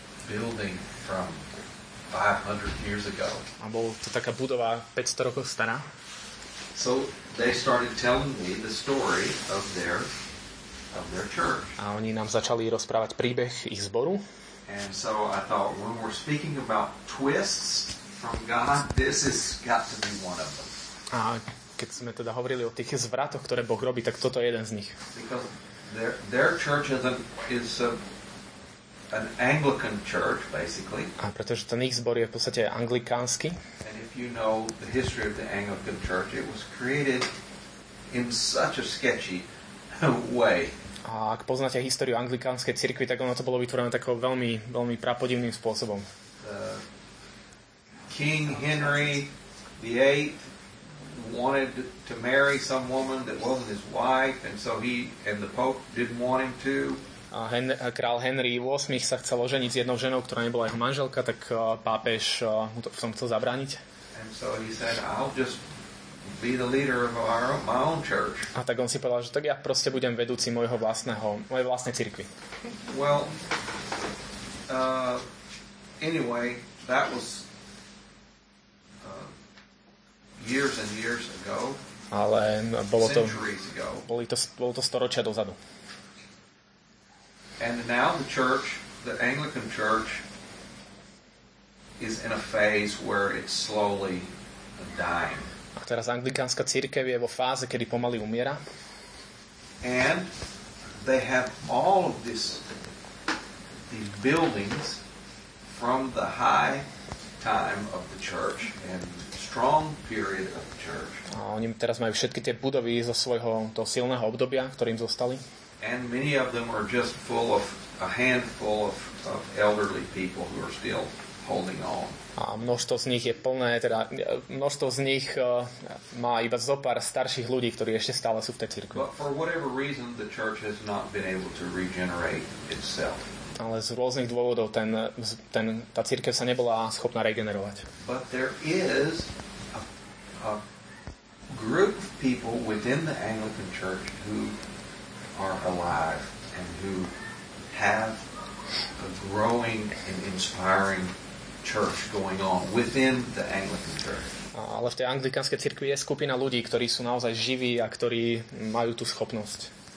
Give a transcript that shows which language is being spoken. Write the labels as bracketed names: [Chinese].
[English] Building from 500 years ago. [Slovak] A bol to taká budova 500 rokov stará. [English] So they started telling me the story of their church. [Slovak] A oni nám začali rozprávať príbeh ich zboru. [English] And so I thought, when we're speaking about twists from God, this has got to be one of them. [Slovak] A keď sme teda hovorili o tých zvratoch, ktoré Boh robí, tak toto je jeden z nich. [English] Because their church is an Anglican church basically. [Slovak] A pretože ten ich zbor je v podstate anglikánsky. [English] And if you know the history of the Anglican church, it was created in such a sketchy way. [Slovak] A ak poznáte históriu anglikánskej cirkvi, tak ono to bolo vytvorené takou veľmi veľmi prapodivným spôsobom. [English] King Henry VIII wanted to marry some woman that wasn't his wife, and so he and the Pope didn't want him to. [Slovak] A král Henry VIII sa chcel oženiť s jednou ženou, ktorá nebola jeho manželka, tak pápež mu to v tom chcel zabrániť. [English] And so he said, "I'll just be the leader of my own church." [Slovak] A tak on si povedal, že tak ja proste budem vedúci mojej vlastnej cirkvi. [English] Well, anyway, that was years and years ago. [Slovak] Ale bolo to storočia dozadu. [English] And now the church, the Anglican church, is in a phase where it's slowly dying. [Slovak] A teraz anglikánska cirkev je vo fáze, kedy pomaly umiera. [English] And they have all of these buildings from the high time of the church and strong period of the church. [Slovak] A oni teraz majú všetky tie budovy zo svojho toho silného obdobia, ktorým zostali. [English] And many of them are just full of a handful of elderly people who are still holding on. [Slovak] A množstvo z nich je plné, teda množstvo z nich má iba zopár starších ľudí, ktorí ešte stále sú v tej cirkvi. [English] But for whatever reason the church has not been able to regenerate itself. [Slovak] Ale z rôznych dôvodov tá cirkev sa nebola schopná regenerovať. [English] But there is a group of people within the Anglican church who are alive and who have a growing and inspiring church going on within the Anglican church. [Slovak] Ale v tej anglikánskej cirkvi je skupina ľudí, ktorí sú naozaj živí a ktorí majú tú schopnosť.